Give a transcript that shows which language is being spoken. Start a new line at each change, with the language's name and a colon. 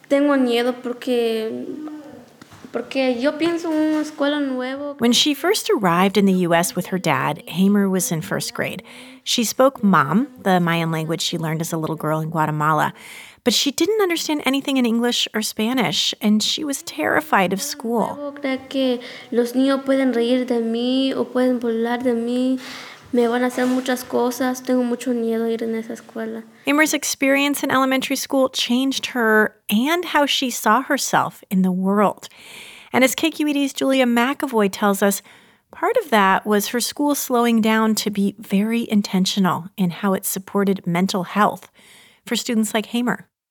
Spanish: Tengo miedo porque yo pienso en una escuela nueva.
English: When she first arrived in the U.S. with her dad, Hamer was in first grade. She spoke Mam, the Mayan language she learned as a little girl in Guatemala, but she didn't understand anything in English or Spanish, and she was terrified of school.
Spanish: Que los niños pueden reír de mí o pueden burlar de mí. Me van a hacer muchas cosas. Tengo mucho miedo ir en esa escuela.
English: Hamer's experience in elementary school changed her and how she saw herself in the world. And as KQED's Julia McAvoy tells us, part of that was her school slowing down to be very intentional in how it supported mental health for students like Hamer.